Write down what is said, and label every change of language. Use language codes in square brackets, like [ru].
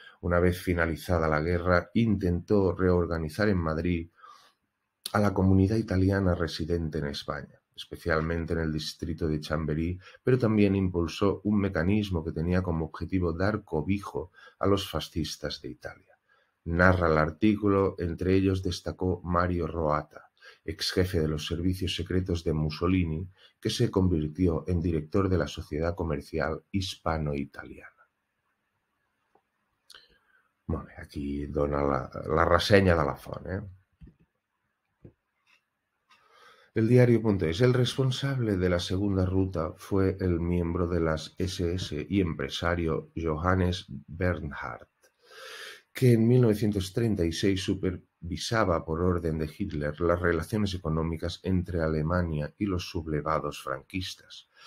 [es] Una vez finalizada la guerra, intentó reorganizar en Madrid a la comunidad italiana residente en España, especialmente en el distrito de Chamberí, pero también impulsó un mecanismo que tenía como objetivo dar cobijo a los fascistas de Italia. Narra el artículo, entre ellos destacó Mario Roata, ex jefe de los servicios secretos de Mussolini, que se convirtió en director de la sociedad comercial hispano-italiana. [ca] Molt bé, aquí dona la ressenya de la font. [es] El diario.es. El responsable de la segunda ruta fue el miembro de las SS y empresario Johannes Bernhardt, que en 1936 supervisaba por orden de Hitler las relaciones económicas entre Alemania y los sublevados franquistas.